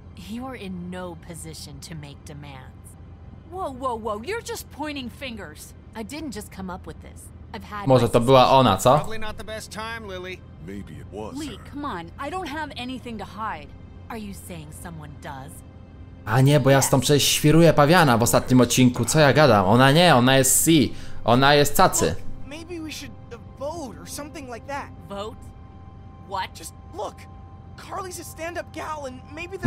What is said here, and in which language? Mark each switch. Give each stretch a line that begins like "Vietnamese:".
English: You are in no position to make demands. Whoa, whoa, whoa! You're just pointing fingers. I didn't just come up with this. I've had.
Polish: Może to była ona, co?
English: Probably not the best time, Lily. Maybe it was. Lee, come on! I don't have anything to hide. Are you saying someone does?
Polish: A nie, bo ja z tą przecież świruję pawiana w ostatnim odcinku. Co ja gadam? Ona nie, ona jest C. Ona jest cacy.
English: Look, maybe we should vote or something like that. Vote? What? Just look. Carly's a stand-up gal and maybe the...